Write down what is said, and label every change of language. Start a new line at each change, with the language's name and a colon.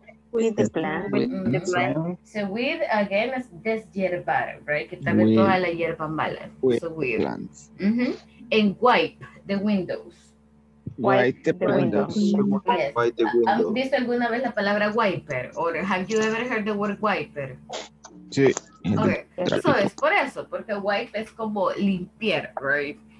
English: With the plants. With the plants. So with, again, is deshierbar, right?
Spanish: Que también toda la hierba mala. So with.
English: Plants. Mm-hmm. And wipe the windows. Wipe the windows.
Spanish: Yes. ¿Has visto alguna vez la palabra wiper?
English: Or have you ever heard the word wiper?
Spanish: Sí.
English: Okay.
Spanish: Eso es por eso, porque wipe es como limpiar, right?